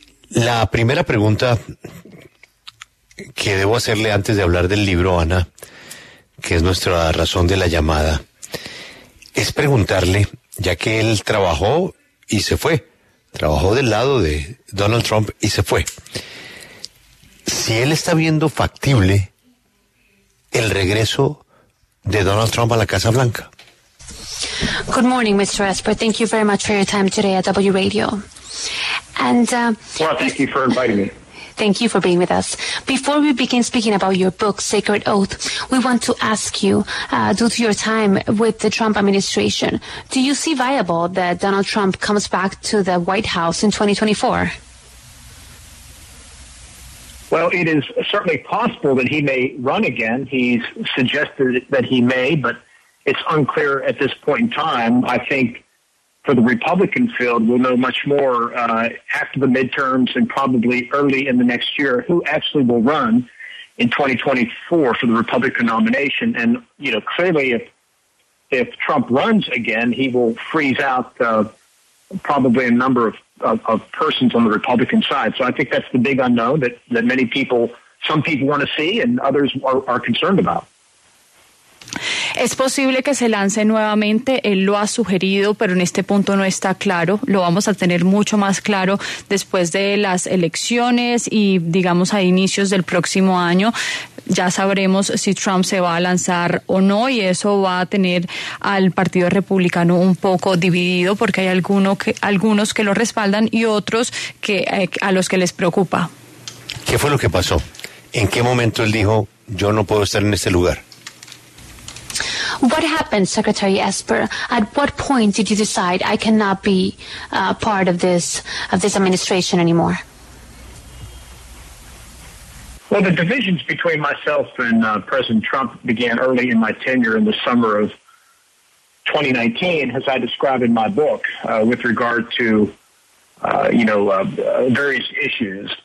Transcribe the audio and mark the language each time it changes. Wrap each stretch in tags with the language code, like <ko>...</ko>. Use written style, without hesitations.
<es>La primera pregunta que debo hacerle antes de hablar del libro, Ana, que es nuestra razón de la llamada, es preguntarle, ya que él trabajó y se fue, trabajó del lado de Donald Trump y se fue, si él está viendo factible el regreso de Donald Trump a la Casa Blanca.</es> <en>Good morning, Mr. Esper. Thank you very much for your time today at W Radio. And thank you for inviting me. Thank you for being with us. Before we begin speaking about your book, Sacred Oath, we want to ask you, due to your time with the Trump administration, do you see viable that Donald Trump comes back to the White House in 2024? Well, it is certainly possible that he may run again. He's suggested that he may, but it's unclear at this point in time. I think for the Republican field, we'll know much more after the midterms and probably early in the next year who actually will run in 2024 for the Republican nomination. And, you know, clearly if Trump runs again, he will freeze out probably a number of persons on the Republican side. So I think that's the big unknown that many people, some people want to see and others are concerned about.</en> <es>Es posible que se lance nuevamente, él lo ha sugerido, pero en este punto no está claro. Lo vamos a tener mucho más claro después de las elecciones y, digamos, a inicios del próximo año. Ya sabremos si Trump se va a lanzar o no, y eso va a tener al Partido Republicano un poco dividido, porque hay algunos que lo respaldan y otros que a los que les preocupa. ¿Qué fue lo que pasó? ¿En qué momento él dijo, yo no puedo estar en este lugar?</es> <en>What happened, Secretary Esper? At what point did you decide I cannot be part of this administration anymore? Well, the divisions between myself and President Trump began early in my tenure in the summer of 2019, as I describe in my book, with regard to various issues.</en>